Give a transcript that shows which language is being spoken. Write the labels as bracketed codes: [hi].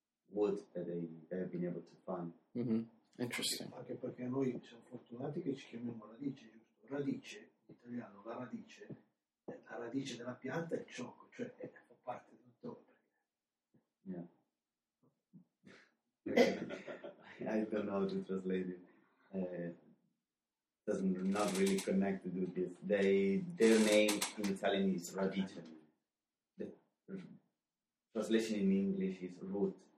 [en] Wood that they have been able to find. Mm-hmm. Interesting. [it] Anche perché noi siamo fortunati che ci chiamiamo radice, giusto? Radice, in italiano, la radice della pianta è ciò, cioè è parte del tutto. [en] Yeah. I don't know how to translate it. Not really connected with this. Their name in Italian is radice. The translation in English is root.